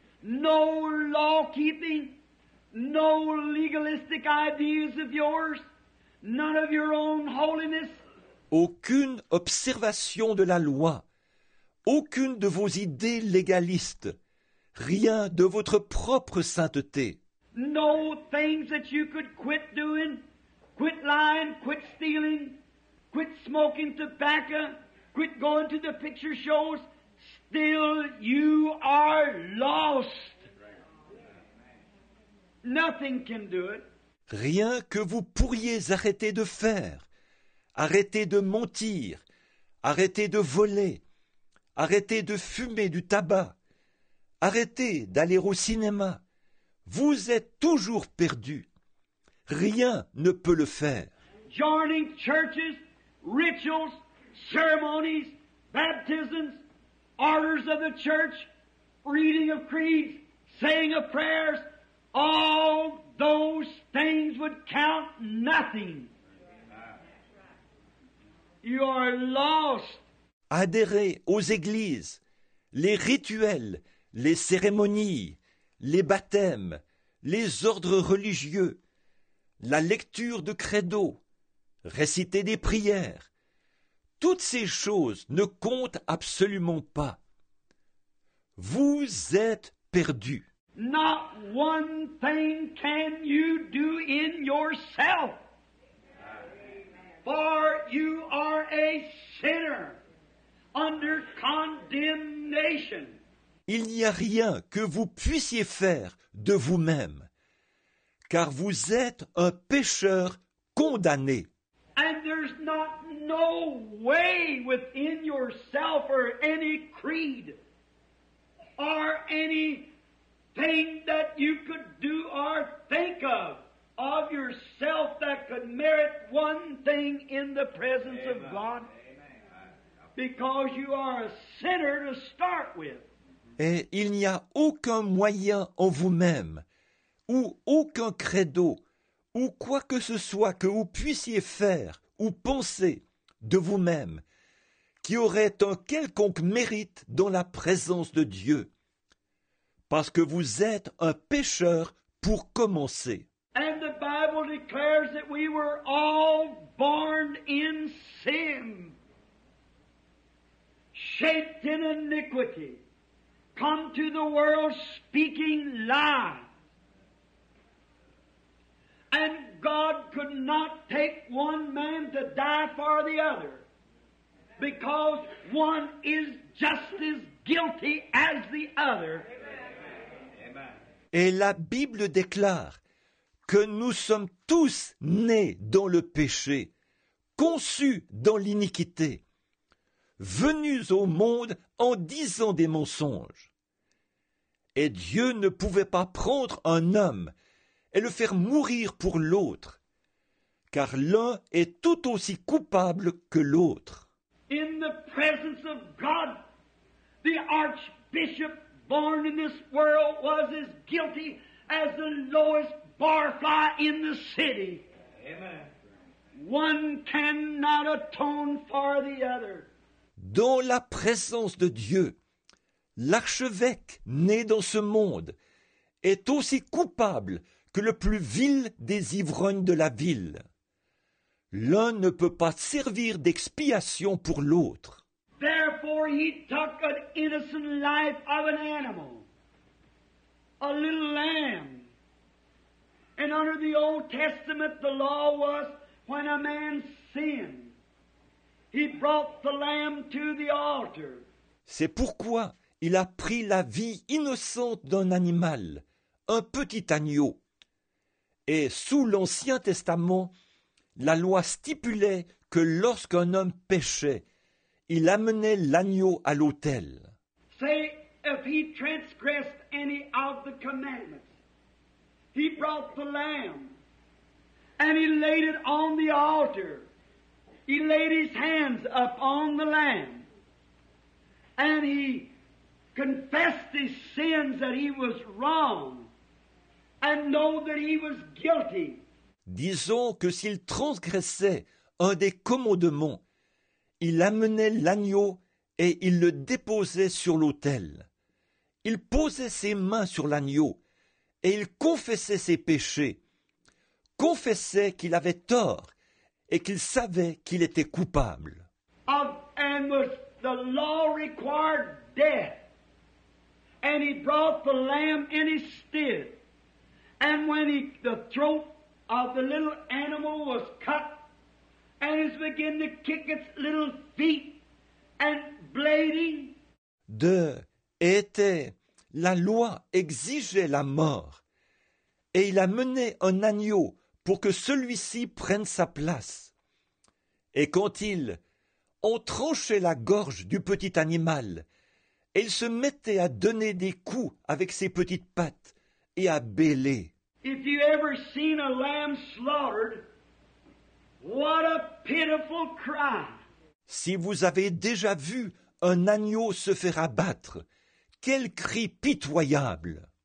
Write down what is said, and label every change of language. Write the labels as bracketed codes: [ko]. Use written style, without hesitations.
[en] No law keeping, no legalistic ideas of yours, none of your own holiness. [fr] Aucune observation de la loi, aucune de vos idées légalistes, rien de votre propre sainteté. [en] No things that you could quit doing, quit lying, quit stealing, quit smoking tobacco, quit going to the picture shows, still you are lost. Nothing can do it. [fr] Rien que vous pourriez arrêter de faire, arrêter de mentir, arrêter de voler, arrêter de fumer du tabac, arrêtez d'aller au cinéma. Vous êtes toujours perdu. Rien ne peut le faire. [en] Joining churches, rituals, ceremonies, baptisms, orders of the church, reading of creeds, saying of prayers, all those things would count nothing. You are lost. [fr] Adhérer aux églises, les rituels, les cérémonies, les baptêmes, les ordres religieux, la lecture de credo, réciter des prières, toutes ces choses ne comptent absolument pas. Vous êtes perdu. [en] Not one thing can you do in yourself, for you are a sinner under condemnation. [fr] Il n'y a rien que vous puissiez faire de vous-même, car vous êtes un pécheur condamné. [en] And there's not no way within yourself or any creed or anything that you could do or think of yourself that could merit one thing in the presence Amen. Of God, because you are a sinner to start with. [fr] Et il n'y a aucun moyen en vous-même, ou aucun credo, ou quoi que ce soit que vous puissiez faire ou penser de vous-même, qui aurait un quelconque mérite dans la présence de Dieu, parce que vous êtes un pécheur pour commencer. [en] And the Bible declares that we were all born in sin, shaped in iniquity. Come to the world speaking lies. And God could not take one man to die for the other, because one is just as guilty as the other. [fr] Et la Bible déclare que nous sommes tous nés dans le péché, conçus dans l'iniquité, venus au monde en disant des mensonges. Et Dieu ne pouvait pas prendre un homme et le faire mourir pour l'autre, car l'un est tout aussi coupable que l'autre. [en] In the presence of God, the archbishop born in this world was as guilty as the lowest barfly in the city. Amen. One cannot atone for the other. [fr] Dans la présence de Dieu, l'archevêque né dans ce monde est aussi coupable que le plus vil des ivrognes de la ville. L'un ne peut pas servir d'expiation pour l'autre. [en] Therefore, he took an innocent life of an animal, a little lamb. And under the Old Testament, the law was when a man sinned, he brought the lamb to the altar. [fr] C'est pourquoi il a pris la vie innocente d'un animal, un petit agneau. Et sous l'Ancien Testament, la loi stipulait que lorsqu'un homme péchait, il amenait l'agneau à l'autel. [en] Say, if he transgressed any of the commandments, he brought the lamb, and he laid it on the altar. He laid his hands up on the lamb, and he confessed his sins that he was wrong, and know that he was guilty. [fr] Disons que s'il transgressait un des commandements, il amenait l'agneau et il le déposait sur l'autel. Il posait ses mains sur l'agneau et il confessait ses péchés, confessait qu'il avait tort et qu'il savait qu'il était coupable. [en] And was the law required death, and he brought the lamb in his stead, and when the throat of the little animal was cut, and it began to kick its little feet and bleeding. [fr] De était la loi exigeait la mort, et il a mené un agneau pour que celui-ci prenne sa place. Et quand il en tranchait la gorge du petit animal, et il se mettait à donner des coups avec ses petites pattes et à bêler. [en] If you ever seen a lamb slaughtered, what a pitiful cry! [fr] Si vous avez déjà vu un agneau se faire abattre, quel cri pitoyable!